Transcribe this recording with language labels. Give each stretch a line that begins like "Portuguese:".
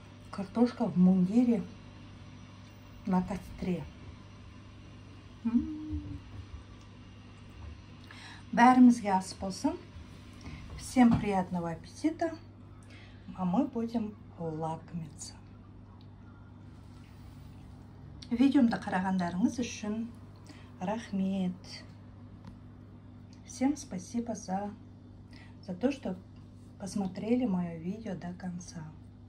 Russian: Картошка в мундире на костре.
Kazakh: Бәрімізге ас болсын.
Russian: Всем приятного аппетита, а мы будем лакомиться.
Kazakh: Видеомды қарағандарыңыз үшін рахмет.
Russian: Всем спасибо за то, что посмотрели мое видео до конца.